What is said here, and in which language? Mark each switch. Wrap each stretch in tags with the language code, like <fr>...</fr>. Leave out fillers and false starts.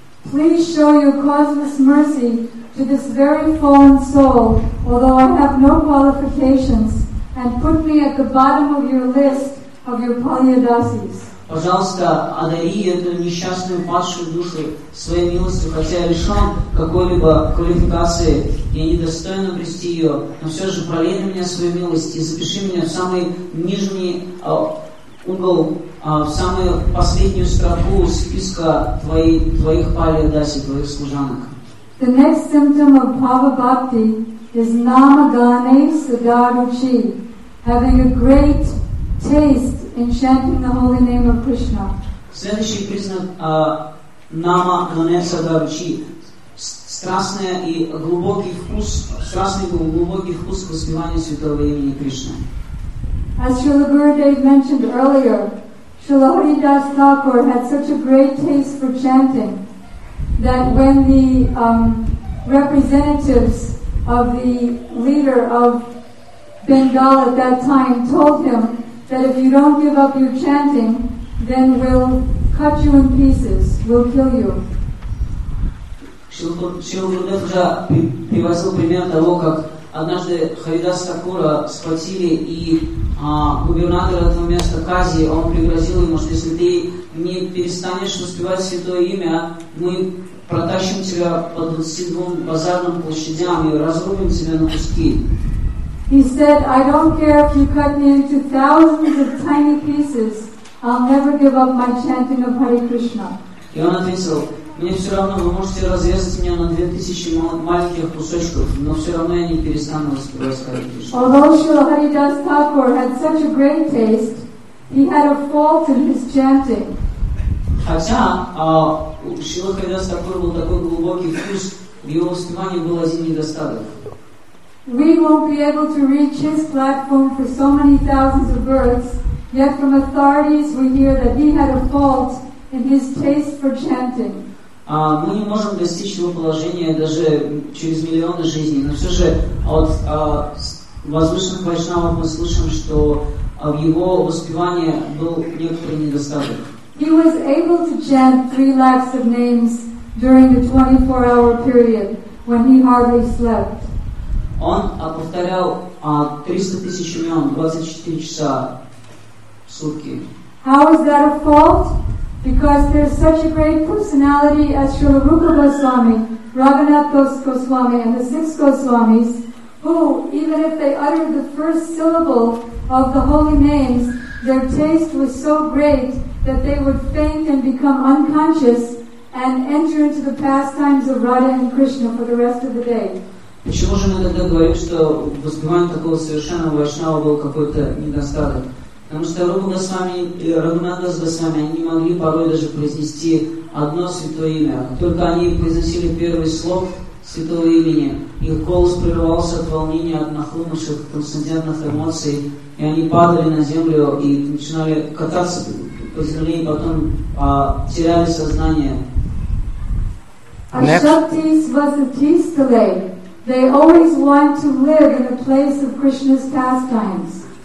<en>Please show your causeless mercy to this very fallen soul, although I have no qualifications, and put me at the bottom of your list of your palyadasis.</en> <ru>Пожалуйста, одари эту несчастную падшую душу своей милостью, хотя я лишен какой-либо квалификации, я недостойно обрести ее, но все же пролей на меня свою милость и запиши меня в самый нижний угол. В самую последнюю строку списка твоих палиадаси, твоих служанок.</ru> <en>The next symptom of Bhava Bhakti is Namagane Sadaruchi, having a great taste in chanting the holy name of Krishna.</en> <ru>Следующий признак Namagane Sadaruchi. Страстный и глубокий вкус, к воспеванию святого имени Кришна.</ru> <en>As Srila Gurudev mentioned earlier, Srila Haridas Thakur had such a great taste for chanting that when the representatives of the leader of Bengal at that time told him that if you don't give up your chanting, then we'll cut you in pieces, we'll kill you.</en> <ru>Srila Gurudev уже привозил пример того, как однажды Харидас Такура схватили и губернатор этого места Кази, он пригрозил ему, что если ты не перестанешь воспевать святое имя, мы протащим тебя по 22 базарным площадям и разрубим тебя на куски.</ru> <en>He said, I don't care if you cut me into thousands of tiny pieces, I'll never give up my chanting of Hare Krishna.</en> <ru>И он ответил, мне все равно, вы можете разрезать меня на 2000 маленьких кусочков, но все равно я не перестану воспевать Харе Кришна.</ru> <en>Although Srila Haridas Thakur had such a great taste, he had a fault in his chanting.</en> <ru>Хотя Srila Haridas Thakur был такой глубокий вкус, в его воспевании был один недостаток.</ru> <en>We won't be able to reach his platform for so many thousands of births, yet from authorities we hear that he had a fault in his taste for chanting.</en> <ru>Мы не можем достичь его положения даже через миллионы жизней, но все же от возвышенных вайшнавов мы слышим, что в его воспевании был некоторый недостаток.</ru> <en>He was able to chant 3 lakhs of names during the 24-hour period when he hardly slept.</en> <ru>Он повторял 300 тысяч имен 24 часа в сутки.</ru> <en>How is that a fault? Because there's such a great personality as Srila Rupa Goswami, Raghunath Goswami, and the 6 Goswamis, who, even if they uttered the first syllable of the holy names, their taste was so great that they would faint and become unconscious and enter into the pastimes of Radha and Krishna for the rest of the day.</en> <ru>Почему же мы тогда говорим, что воспевание такого совершенного вайшнава был какой-то недостаток? Потому что Рупа Госвами и Рагхунатха Госвами, они не могли порой даже произнести одно святое имя. Только они произносили первый слог святого имени, их голос прерывался от волнения, от нахлынувших трансцендентных эмоций, и они падали на землю и начинали кататься по земле, и потом теряли сознание.</ru> <sa>Ашактис васатистале.</sa> <en>They always want to live in a place of Krishna's pastimes.</en>